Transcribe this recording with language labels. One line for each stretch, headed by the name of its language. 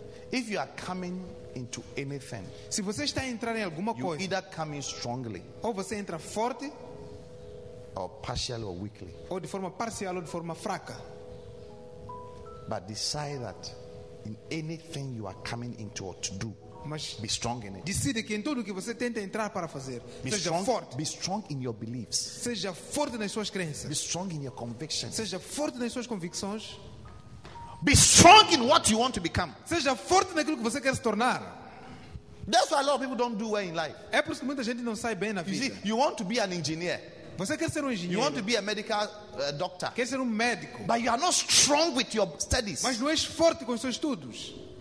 English: If you are coming into anything,
Portuguese: se você está a entrar em alguma
English: you
Portuguese: coisa,
English: either come in strongly,
Portuguese: ou você entra forte,
English: or partial or weakly,
Portuguese: ou de forma parcial ou de forma fraca.
English: But decide that in anything you are coming into or to do,
Portuguese: mas
English: be strong in it.
Portuguese: Decide que em tudo que você tenta entrar para fazer,
English: be
Portuguese: seja
English: strong,
Portuguese: forte.
English: Be strong in your beliefs.
Portuguese: Seja forte nas suas crenças.
English: Be strong in your convictions.
Portuguese: Seja forte nas suas convicções.
English: Be strong in what you want to become.
Portuguese: Seja forte naquilo que você quer se tornar.
English: That's why a lot of people don't do well in life.
Portuguese: É por isso que muita gente não sai bem na vida.
English: You see, you want to be an engineer.
Portuguese: Você quer ser engenheiro.
English: You want to be a medical doctor.
Portuguese: Quer ser médico.
English: But you are not strong with your studies.
Portuguese: Mas não és forte com os seus estudos.